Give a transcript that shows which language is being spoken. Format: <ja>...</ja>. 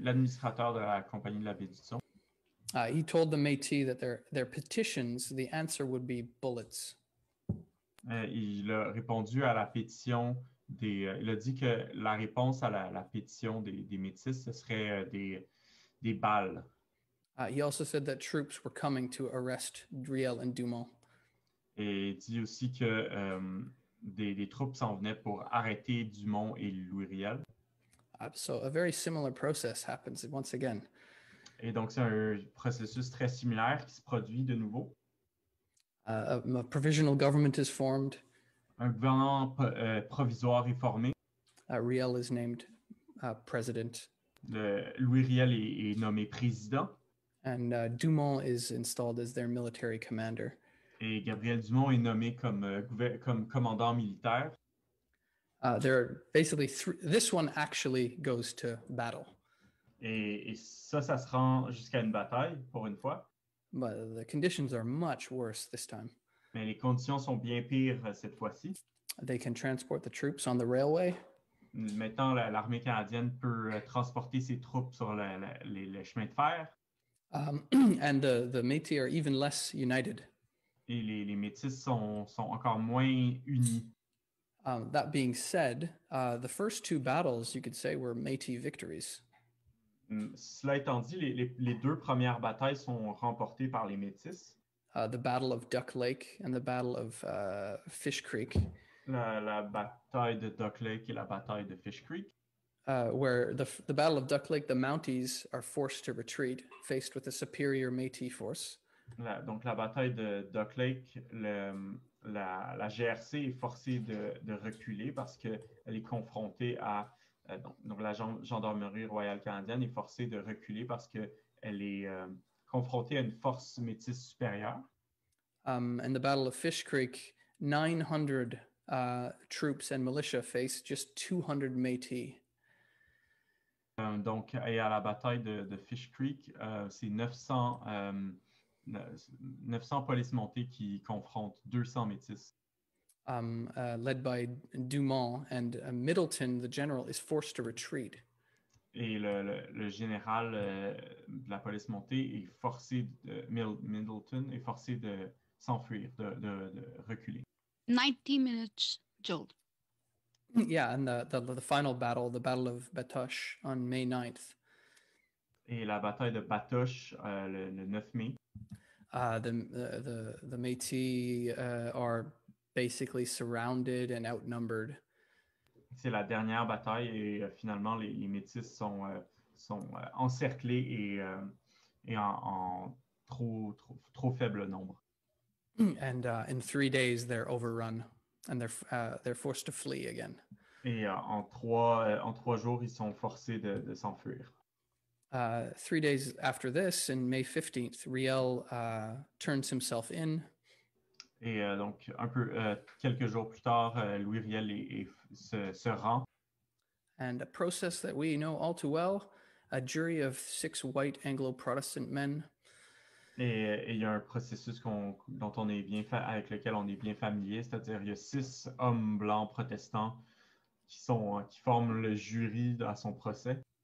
<fr>L'administrateur de la compagnie de la baie du son.</fr> <en>He told the Métis that their petitions, the answer would be bullets.</en> <fr>Il a répondu à la pétition des. Il a dit que la réponse à la pétition des Métis, ce serait des balles.</fr> <en>He also said that troops were coming to arrest Riel and Dumont.</en> <fr>Et il dit aussi que des troupes s'en venaient pour arrêter Dumont et Louis Riel.</fr> <en>So a very similar process happens once again.</en> <fr>Et donc, c'est un processus très similaire qui se produit de nouveau.</fr> <en>A provisional government is formed.</en> <fr>Un gouvernement provisoire est formé.</fr> <en>Riel is named president.</en> <fr>Louis Riel est nommé président.</fr> <en>And Dumont is installed as their military commander.</en> <fr>Et Gabriel Dumont est nommé comme commandant militaire.</fr> <en>There are basically this one actually goes to battle.</en> <fr>Et ça se rend jusqu'à une bataille pour une fois.</fr> <en>But the conditions are much worse this time.</en> <fr>Mais les conditions sont bien pires cette fois-ci.</fr> <en>They can transport the troops on the railway.</en> <fr>Maintenant, l'armée canadienne peut transporter ses troupes sur le chemin de fer.</fr> <en>And the Métis are even less united.</en> <fr>Et les Métis sont encore moins unis.</fr> <en>That being said, the first two battles, you could say, were Métis victories.</en> <fr>Cela étant dit, les deux premières batailles sont remportées par les Métis.</fr> <en>The Battle of Duck Lake and the Battle of Fish Creek.</en> <fr>La bataille de Duck Lake et la bataille de Fish Creek.</fr> <en>Where the Battle of Duck Lake, the Mounties are forced to retreat, faced with a superior Métis force.</en> <fr>Donc, la bataille de Duck Lake, la GRC est forcée de reculer parce qu'elle est confrontée à... Donc, la gendarmerie royale canadienne est forcée de reculer parce qu'elle est confrontée à une force métisse supérieure.</fr> <en>And the Battle of Fish Creek, 900 troops and militia face just 200 Métis.</en> <fr>Donc, et à la bataille de Fish Creek, c'est 900... 900 polices montées qui confrontent 200 Métis.</fr> <en>Led by Dumont and Middleton, the general is forced to retreat.</en> <fr>Et le général de la police montée est forcé Middleton est forcé de s'enfuir, de reculer.</fr> <en>90 minutes, Joel. Yeah, and the final battle, the Battle of Batoche on May 9th.</en> <fr>Et la bataille de Batoche le 9 mai.</fr> <en>The Métis are basically surrounded and outnumbered.</en> <fr>C'est la dernière bataille et finalement les Métis sont encerclés et en trop faible nombre.</fr> <en>And in 3 days they're overrun and they're forced to flee again.</en> <fr>Et en trois jours, ils sont forcés de s'enfuir.</fr> <en>3 days after this, in May 15th, Riel turns himself in.</en> <fr>Et donc, un peu, quelques jours plus tard, Louis Riel se rend.</fr> <en>And a process that we know all too well, a jury of 6 white Anglo-Protestant men.</en> <fr>Et il y a un processus dont on est bien avec lequel on est bien familier, c'est-à-dire il y a 6 hommes blancs protestants qui forment le jury à son procès.</fr>